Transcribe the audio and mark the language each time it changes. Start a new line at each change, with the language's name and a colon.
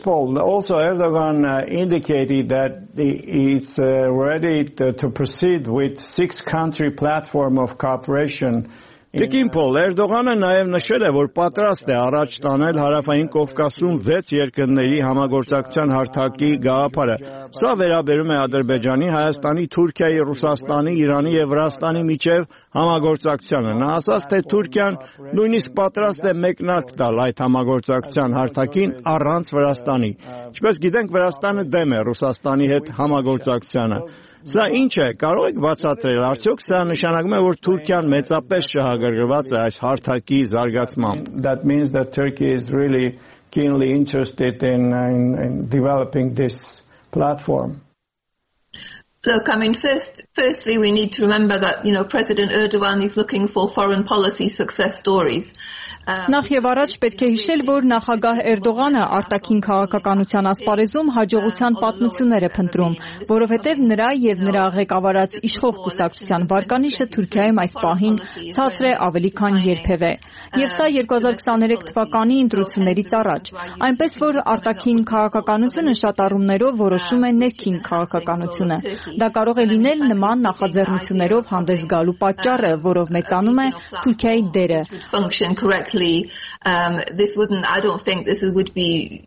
English: Paul, also Erdogan indicated that he's ready to proceed with six-country platform of cooperation
Armenian: Տիկին Փոլ Էրդողանը նաև նշել է, որ պատրաստ է առաջ տանել Հարավային Կովկասում 6 երկրների համագործակցության հարթակի գաղափարը։ Սա վերաբերում է Ադրբեջանի, Հայաստանի, Թուրքիայի, Ռուսաստանի, Իրանի և Վրաստանի միջև համագործակցությանը։ Նա ասաց, թե Թուրքիան նույնիսկ պատրաստ է մեկնարկ տալ այդ համագործակցության հարթակին առանց Վրաստանի։ Ինչպես գիտենք, Վրաստանը դեմ է Ռուսաստանի հետ համագործակցությանը։ Սա ինչ է, կարող եք բացատրել, արդյոք սա նշանակում է, որ Թուրքիան մեծապես շահագրգռված է այս հարթակի զարգացմամբ։
English: That means that Turkey is really keenly interested in developing this platform. Look, I mean, firstly, we need to remember that, you know, President Erdogan is looking for foreign policy success stories.
Armenian: Նախ եւ առաջ պետք է հիշել, որ նախագահ Էրդողանը արտաքին քաղաքականության ասպարեզում հաջողության պատմություններ է փնտրում, որովհետեւ նրա եւ նրա ղեկավարած իշխող կուսակցության վարկանիշը Թուրքիայում այս պահին ցածր է ավելի քան երբևէ։ Եվ սա 2023 թվականի ընտրություններից առաջ, այնպես որ արտաքին քաղաքականությունը շատ առումներով որոշում է ներքին քաղաքականությունը։ Դա կարող է լինել նման նախաձեռնություններով հանդես գալու պատճառը, որով մեծանում է Թուրքիայի դերը։